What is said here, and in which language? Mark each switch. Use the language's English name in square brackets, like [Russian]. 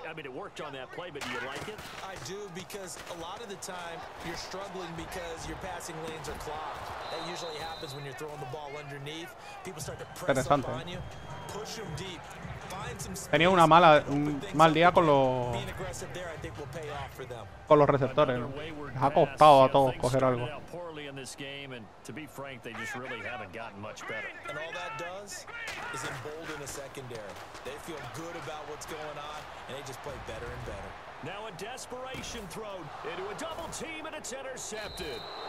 [English] I mean, it worked on that play, but do you like it? I do, because a lot of the time you're struggling because your passing lanes are clogged. That usually happens when you're throwing the ball underneath. People start to press up on you. Push them deep. Find some space. [Spanish] Tenía una mala, mal día con los receptores. Les ha costado a todos coger algo. [English] And to be frank, they just really haven't gotten much better. And all that does is embolden a secondary. They feel good about what's going on, and they just play better and better. Now a desperation thrown into a double team, and it's intercepted.